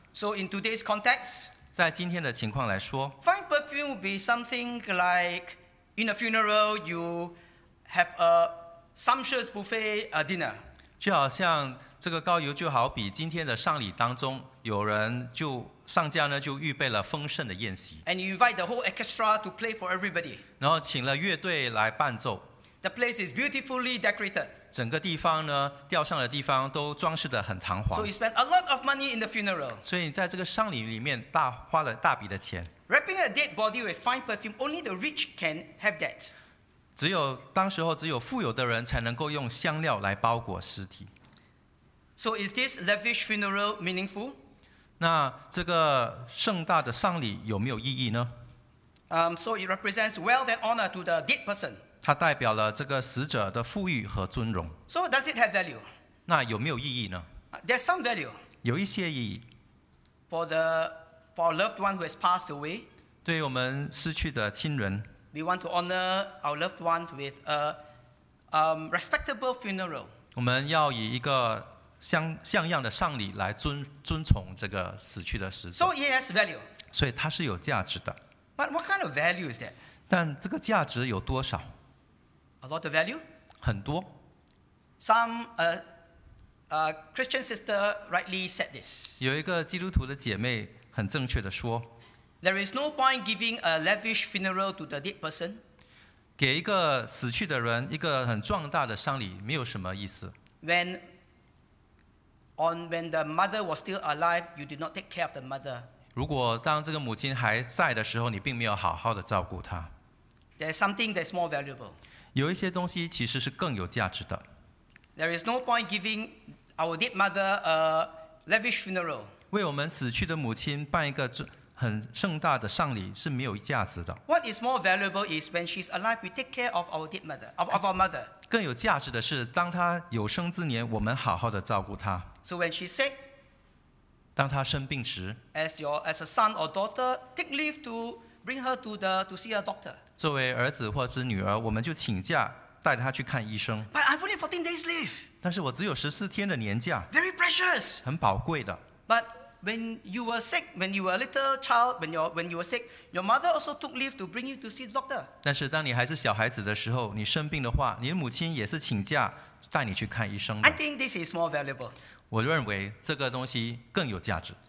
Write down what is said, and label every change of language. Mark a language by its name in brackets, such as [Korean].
[English] So in today's context [Chinese] 在今天的情况来说， [English] fine perfume would be something like in a funeral you have a sumptuous buffet dinner， [Chinese] 就好像这个膏油就好比今天的丧礼当中有人就上家呢就预备了丰盛的宴席。 [English] And you invite the whole orchestra to play for everybody. [Chinese] 然后请了乐队来伴奏。 [English] The place is beautifully decorated. [Chinese] 整个地方呢吊上的地方都装饰得很堂皇。 [English] So you spend a lot of money in the funeral. [Chinese] 所以你在这个丧礼里面大花了大笔的钱。 [English] Wrapping a dead body with fine perfume, only the rich can have that. [Chinese] 只有当时候只有富有的人才能够用香料来包裹尸体。 [English] So is this lavish funeral meaningful? [Chinese] 那这个盛大的丧礼有没有意义呢？ [English] So it represents wealth and honor to the dead person. [Chinese] 它代表了这个死者的富裕和尊荣。 [English] So does it have value? [Chinese] 那有没有意义呢？ [English] There's some value. [Chinese] 有一些意义。 [English] For a loved one who has passed away. [Chinese] 对我们失去的亲人， [English] We want to honor our loved ones with a respectable funeral. [Chinese] 我们要以一个像样的丧礼来尊崇这个死去的死者。 [English] So it has value. [Chinese] 所以它是有价值的。 [English] But what kind of value is that? [Chinese] 但这个价值有多少？ [English] A lot of value? [Chinese] 很多。 [English] Some Christian sister rightly said this. [Chinese] 有一个基督徒的姐妹很正确的说， [English] There is no point giving a lavish funeral to the dead person. [Chinese] 给一个死去的人一个很壮大的丧礼没有什么意思。 [English] When the mother was still alive, you did not take care of the mother. [Chinese] 如果当这个母亲还在的时候，你并没有好好的照顾她。 [English] There is something that's more valuable. [Chinese] 有一些东西其实是更有价值的。 [English] There is no point giving our dead mother a lavish funeral. [Chinese] 为我们死去的母亲办一个很盛大的丧礼是没有价值的。 [English] What is more valuable is when she's alive, we take care of our dead mother, of our mother. [Chinese] 更有价值的是，当她有生之年，我们好好的照顾她。 [English] So when she's sick, [Chinese] 当她生病时 [English] ，as a son or daughter, take leave to bring her to see a doctor. [Chinese] 作为儿子或者女儿，我们就请假带她去看医生。 [English] But I've only 14 days leave. [Chinese] 但是我只有14天的年假。 [English] Very precious. [Chinese] 很宝贵的。 [English] But When you were sick, when you were a little child, when you were sick, your mother also took leave to bring you to see the doctor. [Chinese] 但是当你还是小孩子的时候，你生病的话，你的母亲也是请假带你去看医生的。 [English] I think this is more valuable. [Chinese] 我认为这个东西更有价值。